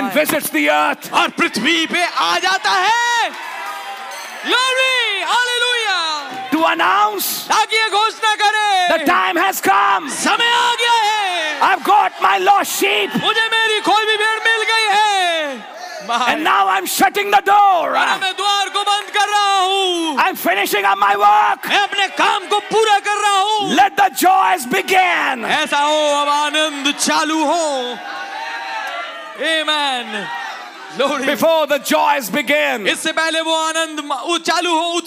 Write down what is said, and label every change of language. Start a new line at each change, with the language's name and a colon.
English: and visits the earth
Hindi: और पृथ्वी पे आ जाता है
English: glory hallelujah to announce
Hindi: ताकि ये घोषणा करे
English: the time has come
Hindi: समय आ गया है
English: I've got my lost sheep
Hindi: मुझे मेरी खोई हुई भेड़ मिल गई है
English: And now I'm shutting the door.
Hindi: मैं द्वार को बंद कर रहा हूँ.
English: I'm finishing up my work.
Hindi: मैं अपने काम को पूरा कर रहा हूँ.
English: Let the joys begin.
Hindi: ऐसा हो अब आनंद चालू हो. Amen.
English: Before the joys begin.
Hindi: इससे पहले वो आनंद चालू हो.